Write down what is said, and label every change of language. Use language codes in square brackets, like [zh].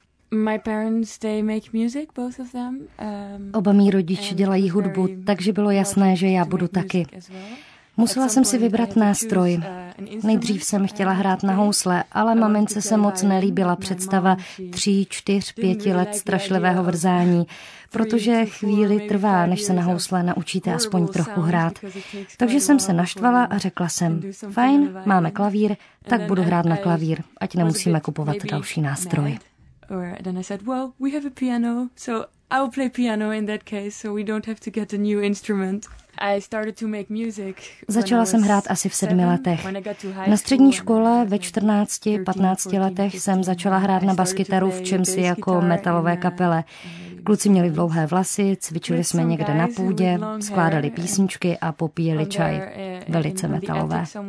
[en] My parents, they make music, both of them. [cs] Oba mý rodiče dělají hudbu, takže bylo jasné, že já budu taky. Musela jsem si vybrat nástroj. Nejdřív jsem chtěla hrát na housle, ale mamince se moc nelíbila představa 3, 4, 5 let strašlivého vrzání, protože chvíli trvá, než se na housle naučíte aspoň trochu hrát. Takže jsem se naštvala a řekla jsem, fajn, máme klavír, tak budu hrát na klavír, ať nemusíme kupovat další nástroj. [en] Or then I said, well, we have a piano, so I will play piano in that case, so we don't have to get a new instrument. I started to make music. [cs] Začala jsem hrát asi v 7 letech. Na střední škole ve 14, 15 letech jsem začala hrát na baskytaru v čemsi jako metalové kapele. Kluci měli dlouhé vlasy, cvičili jsme někde na půdě, skládali písničky a popíjeli čaj. Velice metalové.